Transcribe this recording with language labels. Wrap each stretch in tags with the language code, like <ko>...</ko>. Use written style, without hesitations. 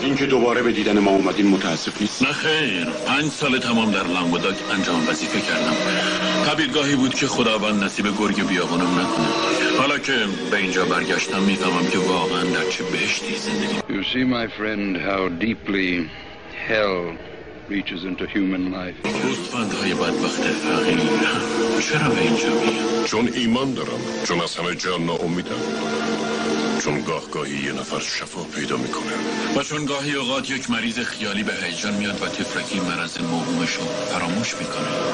<fa>دوباره به دیدن ما اومدین متاسف نیست؟ نه خیر، 5 سال تمام در لنگوداگ انجام وظیفه کردم. تعبیرگاهی بود که خداوند نصیب گرگ بیابانم نکنه. حالا که به اینجا برگشتم میفهمم که واقعا در چه بهشتی زندگی.</fa> <en>You see my friend how deeply hell reaches into human life.</en> <fa>گوسفندهای بدبخت فقیر چرا به اینجا میاد؟ چون ایمان دارم، چون از همه جان ناامیدم، چون گاه گاهی یه نفر شفا پیدا میکنه و چون گاهی اوقات یک مریض خیالی به هیجان میاد و تفرکی مرض موهومشو فراموش میکنه.</fa>